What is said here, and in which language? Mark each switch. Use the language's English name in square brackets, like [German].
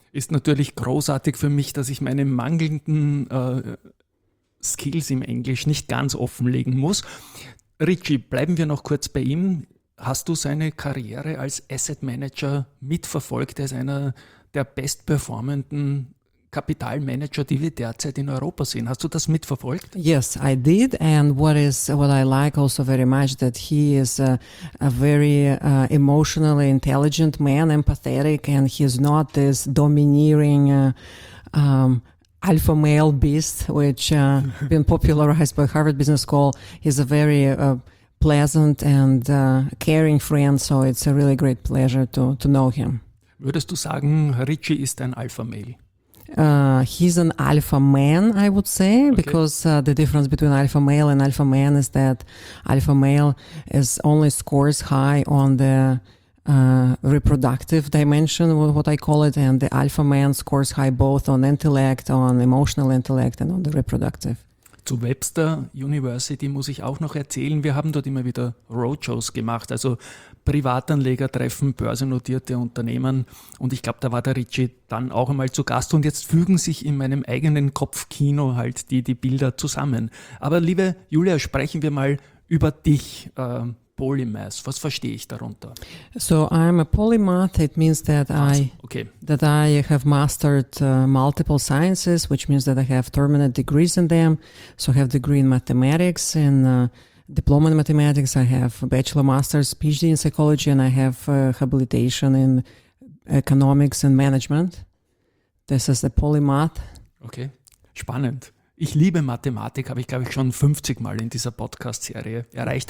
[German] Ist natürlich großartig für mich, dass ich meine mangelnden Skills im Englisch nicht ganz offenlegen muss. Richie, bleiben wir noch kurz bei ihm. Hast du seine Karriere als Asset Manager mitverfolgt? Er ist einer der bestperformenden Kapitalmanager, die wir derzeit in Europa sehen. Hast du das mitverfolgt? [English] Yes, I did. And what I like also very much that he is a very emotionally intelligent man, empathetic, and he's not this domineering alpha male beast, which been popularized by Harvard Business School. He's a very pleasant and caring friend. So it's a really great pleasure to know him. [German] Würdest du sagen, Richie ist ein alpha male? [English] He's an alpha man, I would say, okay. Because the difference between alpha male and alpha man is that alpha male is only scores high on the reproductive dimension, what I call it, and the alpha man scores high both on intellect, on emotional intellect and on the reproductive. [German] Zu Webster University muss ich auch noch erzählen, wir haben dort immer wieder Roadshows gemacht, also Privatanleger treffen börsennotierte Unternehmen und ich glaube, da war der Richie dann auch einmal zu Gast und jetzt fügen sich in meinem eigenen Kopfkino halt die Bilder zusammen. Aber liebe Julia, sprechen wir mal über dich, Polymath, was verstehe ich darunter? [English] So I'm a polymath, it means that that I have mastered multiple sciences, which means that I have terminate degrees in them, so I have degree in mathematics and diploma in mathematics, I have a bachelor, master's, PhD in psychology, and I have habilitation in economics and management. This is the polymath. [German] Okay, spannend. Ich liebe Mathematik, habe ich, glaube ich, schon 50 Mal in dieser Podcast-Serie erreicht.